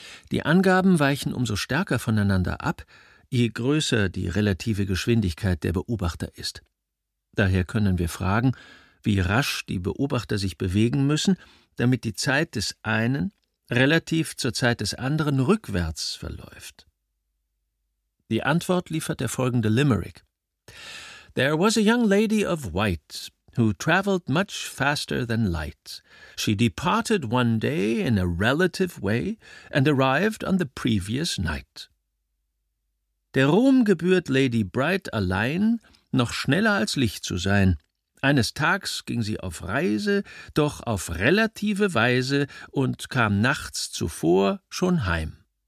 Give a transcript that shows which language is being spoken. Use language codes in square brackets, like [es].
[de] Die Angaben weichen umso stärker voneinander ab, je größer die relative Geschwindigkeit der Beobachter ist. Daher können wir fragen, wie rasch die Beobachter sich bewegen müssen, damit die Zeit des einen relativ zur Zeit des anderen rückwärts verläuft. Die Antwort liefert der folgende Limerick. [en] There was a young lady of white, who traveled much faster than light. She departed one day in a relative way and arrived on the previous night. [de] Der Ruhm gebührt Lady Bright allein, noch schneller als Licht zu sein. Eines Tags ging sie auf Reise, doch auf relative Weise und kam nachts zuvor schon heim.